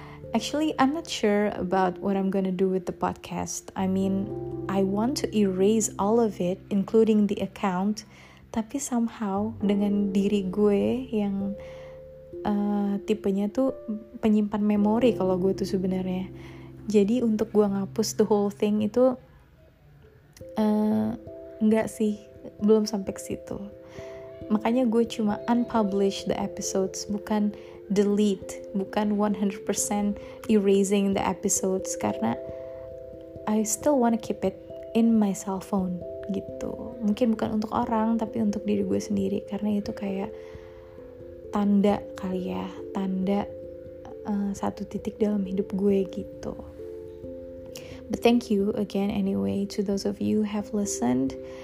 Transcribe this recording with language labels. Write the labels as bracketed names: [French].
[English] Actually, I'm not sure about what I'm gonna do with the podcast. I mean, I want to erase all of it, including the account. [Indonesian] Tapi somehow, dengan diri gue yang tipenya tuh penyimpan memori kalau gue tuh sebenarnya. Jadi untuk gue ngapus [English] the whole thing [Indonesian] itu, enggak sih, belum sampai ke situ. Makanya gue cuma [English] unpublish the episodes, [Indonesian] bukan delete, bukan [English] 100% erasing the episodes, [Indonesian] karena [English] I still wanna keep it in my cell phone gitu. [Indonesian] Mungkin bukan untuk orang, tapi untuk diri gue sendiri, karena itu kayak tanda kali ya, tanda satu titik dalam hidup gue gitu. [English] But thank you again anyway to those of you who have listened.